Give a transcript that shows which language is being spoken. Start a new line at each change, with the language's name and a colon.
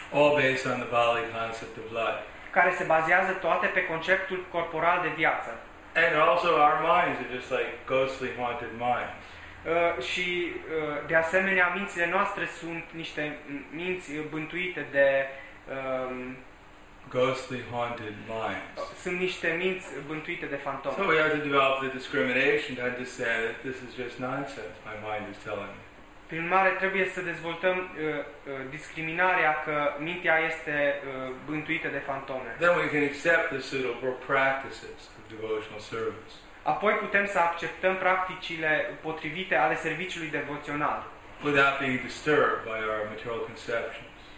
English: All based on the Bali concept of life.
Romanian: Care se bazează toate pe conceptul corporal de viață.
English: And also our minds are just like ghostly haunted minds.
Romanian: Și de asemenea, mințile noastre sunt niște minți bântuite de
English: ghostly haunted minds.
Romanian: Sunt niște minți bântuite de fantome.
English: So we have to develop the discrimination to understand that this is just nonsense my mind is telling me.
Romanian: Prin mare trebuie să dezvoltăm discriminarea că mintea este bântuită de fantome.
English: Then we can accept the suitable practices of devotional service.
Romanian: Apoi putem să acceptăm practicile potrivite ale serviciului devoțional.
English: Without being disturbed by our material conceptions.